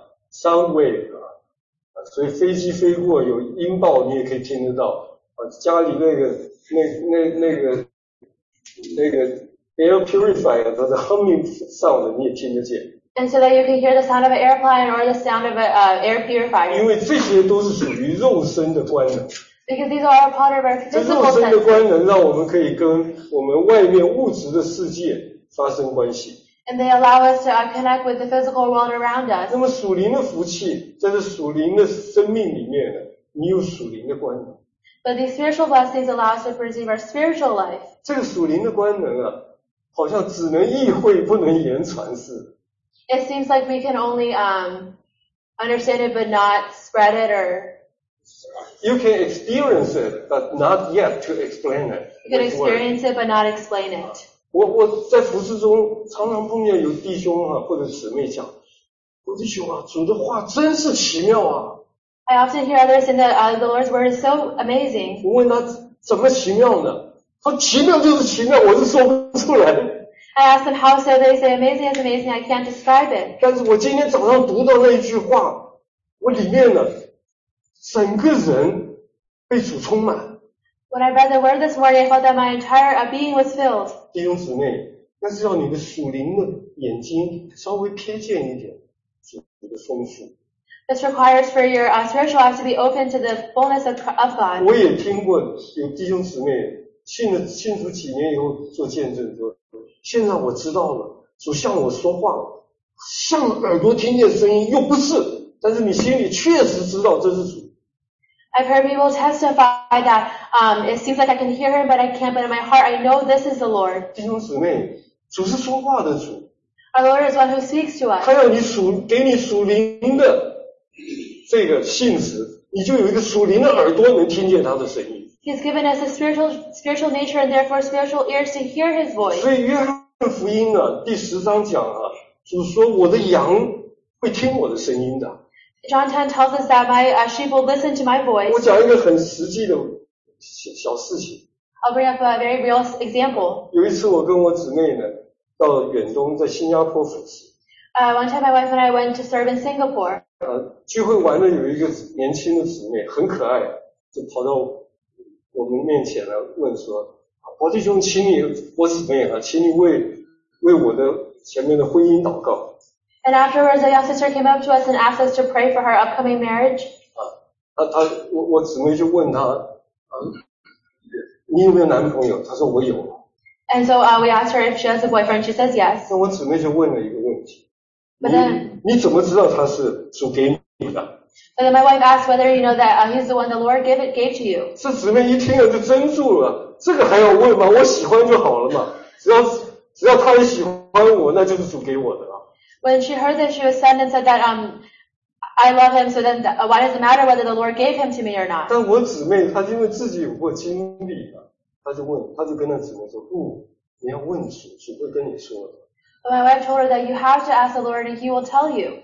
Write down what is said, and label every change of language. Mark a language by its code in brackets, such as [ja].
[zh] Sound wave 啊，所以飞机飞过有音爆，你也可以听得到。啊，家里那个 air purifier 它的 [en] humming sound [zh] 你也听得见。 [en] And so that you can hear the sound of an airplane or the sound of an air purifier. [zh] 因为这些都是属于肉身的官能。 [en] Because these are all part of our physical senses. [zh] 肉身的官能让我们可以跟我们外面物质的世界发生关系。 [en] And they allow us to connect with the physical world around us. [zh] 那么属灵的福气，在这属灵的生命里面呢，你有属灵的官能。 [en] But these spiritual blessings allow us to preserve our spiritual life. [zh] 这个属灵的官能啊，好像只能意会不能言传似的。 [en] It seems like we can only understand it but not spread it or. You can experience it but not yet to explain it. You can experience it but not explain it. [zh] 我在服事中常常碰见有弟兄啊或者姊妹讲，我弟兄啊，主的话真是奇妙啊。 [en] I often hear others say that the Lord's word is so amazing. [zh] 我问他怎么奇妙呢？他奇妙就是奇妙，我是说不出来。 [en] I ask them how so, they say amazing is amazing, I can't describe it. [zh] 但是我今天早上读到那一句话，我里面呢，整个人被主充满。 [en] When I read the word this morning, I felt that my entire being was filled. [zh] 弟兄姊妹，那是要你的属灵的眼睛稍微瞥见一点，主的丰富。 [en] This requires for your spiritual eyes to be open to the fullness of God. [zh] 我也听过有弟兄姊妹信主几年以后做见证说，现在我知道了，主向我说话，像耳朵听见声音又不是，但是你心里确实知道这是主。 [en] I've heard people testify that it seems like I can hear him, but I can't. But in my heart, I know this is the Lord. [zh] 弟兄姊妹，主是说话的主。 [en] Our Lord is one who speaks to us. [zh] 他要你属给你属灵的这个信实，你就有一个属灵的耳朵能听见他的声音。 [en] He's given us a spiritual nature and therefore spiritual ears to hear his voice. [zh] 所以约翰福音呢、啊、第十章讲啊，主说我的羊会听我的声音的。 [en] John 10 tells us that my sheep will listen to my voice. [zh] 我讲一个很实际的 小事情。 [en] I'll bring up a very real example. [zh] 有一次我跟我姊妹呢到远东在新加坡服侍。 [en] One time my wife and I went to serve in Singapore. [zh] 聚会完了有一个年轻的姊妹很可爱就跑到我们面前来问说伯弟兄请你我姊妹啊请你为我的前面的婚姻祷告。 [en] And afterwards, a young sister came up to us and asked us to pray for her upcoming marriage. [zh] 我姊妹就问她，你有没有男朋友？她说我有。 [en] And so we asked her if she has a boyfriend. She says yes. [zh] 那我姊妹就问了一个问题。 [en] But then, [zh] 你怎么知道他是主给你的？ [en] But then my wife asked whether you know that he's the one the Lord gave to you. [zh] 是姊妹一听了就怔住了，这个还要问吗？我喜欢就好了嘛，只要他也喜欢我，那就是主给我的了。 [en] When she heard that, she was stunned and said that I love him. So then, why does it matter whether the Lord gave him to me or not? [zh] 但我姊妹她因为自己有过经历了，她就问，她就跟那姊妹说，不、哦，你要问主，主会跟你说的。 [en] But my wife told her that you have to ask the Lord and He will tell you.